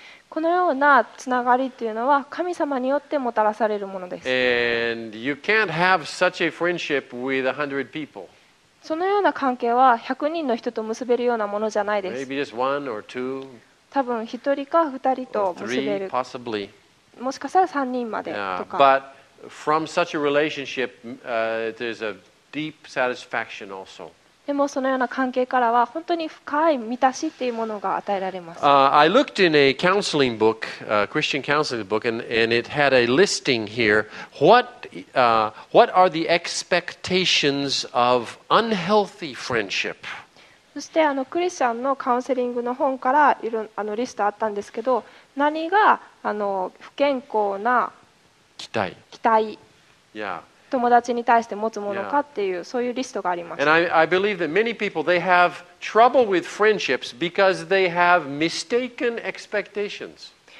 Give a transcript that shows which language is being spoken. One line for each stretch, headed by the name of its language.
Japanese: このようなつながりというのは神様によってもたらされるものです。
English: And you can't have such a friendship with 100 people.
Japanese: そのような関係は100人の人と結べるようなものじゃないです。
English: Maybe just one or two.
Japanese: 多分1人か2人と結べる。
English: Or three, possibly.
Japanese: もしかしたら3人までとか。
English: But from such a relationship, there's a deep satisfaction also.
Japanese: でもそのような関係からは本当に深い満たしっていうものが与えられます。
English: I looked in a counseling book, a Christian counseling book, and it had a listing here. What are the expectations of unhealthy friendship?
Japanese: そしてクリスチャンのカウンセリングの本からいろリストあったんですけど、何が不健康な期待。Yeah. 友達に対して持つものかっていう、そういうリストがあります。
English: And I believe that many people, they have trouble with friendships because they have mistaken expectations.